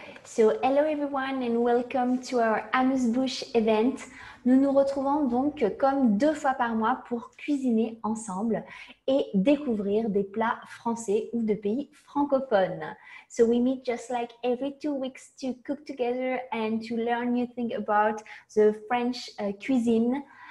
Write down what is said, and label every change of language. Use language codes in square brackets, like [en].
[en] So, hello everyone and welcome to our Amuse-Bouche event. [fr] Nous nous retrouvons donc comme deux fois par mois pour cuisiner ensemble et découvrir des plats français ou de pays francophones. [en] So, we meet just like every 2 weeks to cook together and to learn new things about the French cuisine.